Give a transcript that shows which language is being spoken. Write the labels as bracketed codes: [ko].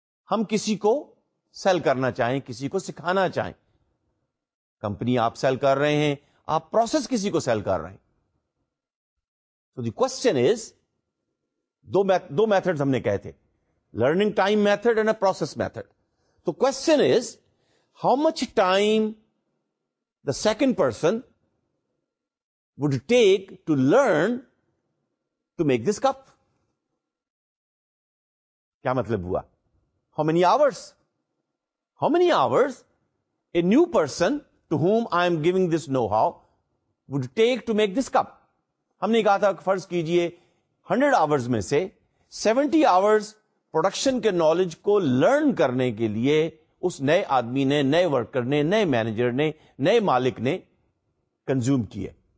[ur] ہم کسی کو سیل کرنا چاہیں, کسی کو سکھانا چاہیں, کمپنی آپ سیل کر رہے ہیں, آپ پروسیس کسی کو سیل کر رہے ہیں, تو [en] the question is, [ur] do methods ہم نے کہے تھے, [en] Learning time method and a process method. تو question is how much time the second person would take to learn to make this cup. [ur] کیا مطلب ہوا, [en] How many hours, how many hours a new person to whom I am giving this know how would take to make this cup. [ur] ہم نے کہا تھا فرض کیجئے 100 hours میں سے 70 آورز پروڈکشن کے نالج کو لرن کرنے کے لیے اس نئے آدمی نے, نئے ورکر نے, نئے مینیجر نے, نئے مالک نے کنزیوم کیے.